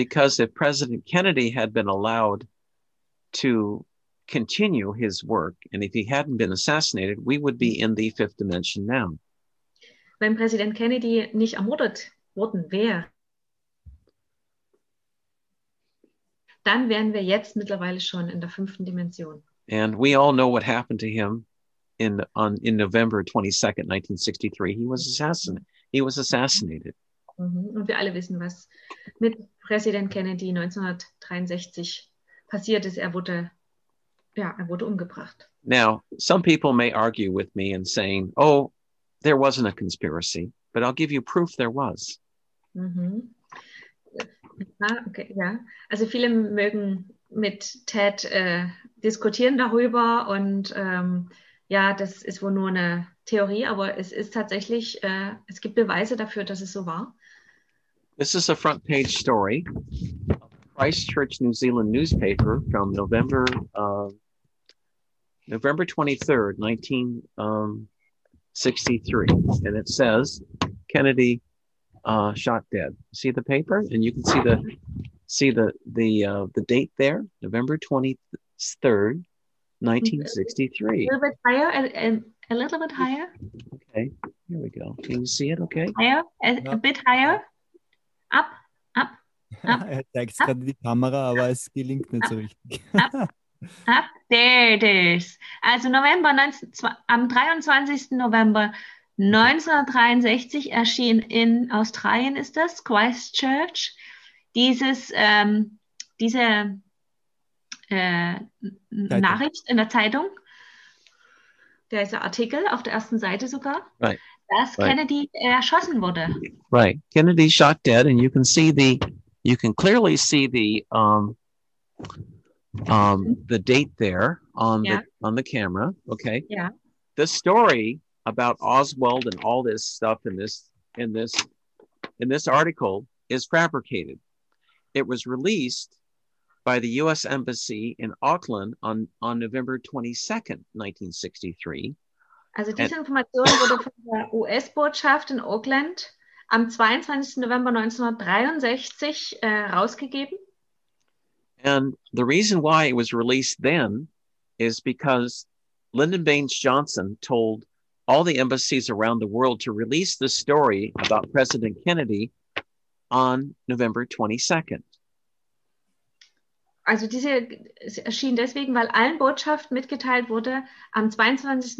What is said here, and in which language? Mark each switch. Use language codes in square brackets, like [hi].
[en] Because if President Kennedy had been allowed to continue his work, and if he hadn't been assassinated, we would be in the fifth dimension now. [de] Wenn Präsident Kennedy nicht ermordet worden wäre, dann wären wir jetzt mittlerweile schon in der fünften Dimension. [en] And we all know what happened to him in November 22nd, 1963. He was assassinated. [de] Und wir alle wissen, was mit Präsident Kennedy 1963 passiert ist. Er wurde umgebracht. [en] Now, some people may argue with me and saying, oh, there wasn't a conspiracy, but I'll give you proof there was. [de] Okay, ja. Also viele mögen mit Ted diskutieren darüber, und ja, das ist wohl nur eine Theorie, aber es ist tatsächlich, es gibt Beweise dafür, dass es so war. [en] This is a front page story of the Christchurch, New Zealand newspaper from November 23rd, 1963. And it says, Kennedy shot dead. See the paper? And you can see the date there, November 23rd, 1963. A little bit higher. Okay, here we go. Can you see it okay? A bit higher. Up. [de] Er zeigt es gerade in die Kamera, aber es gelingt nicht so richtig. [en] There it is. [de] Also am 23. November 1963 erschien in Australien, ist das, Christchurch, diese Nachricht in der Zeitung, der ist der Artikel auf der ersten Seite sogar, dass Kennedy erschossen wurde. [en] Right. Kennedy shot dead, and you can see the date there on the camera. Okay. Yeah. The story about Oswald and all this stuff in this article is fabricated. It was released by the U.S. Embassy in Auckland on November 22nd, 1963. [de] Also diese Information wurde von der US-Botschaft in Auckland am 22. November 1963 rausgegeben. [en] And the reason why it was released then is because Lyndon Baines Johnson told all the embassies around the world to release the story about President Kennedy on November 22nd. [de] Also es erschien deswegen, weil allen Botschaften mitgeteilt wurde, am 22.